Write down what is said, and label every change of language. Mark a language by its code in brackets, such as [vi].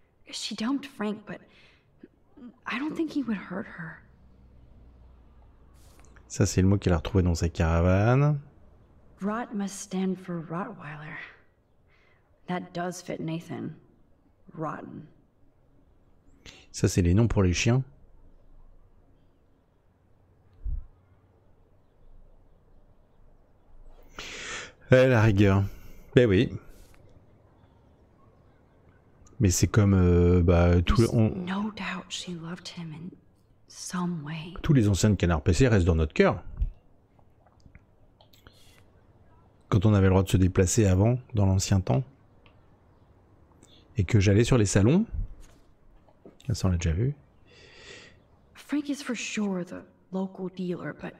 [en] She dumped Frank, but I don't think he would hurt her. [fr] Ça, c'est le mot qu'elle a retrouvé dans sa caravane. [en] Rot must stand for Rottweiler. That does fit Nathan. Rotten. [fr] Ça, c'est les noms pour les chiens. Eh, la rigueur. Ben oui. Mais c'est comme bah, tout le, on... [en] no doubt she loved him in some way. [fr] Tous les anciens de Canard PC restent dans notre cœur. Quand on avait le droit de se déplacer avant, dans l'ancien temps, et que j'allais sur les salons, ça on l'a déjà vu. [en] Frank is for sure the local dealer, but...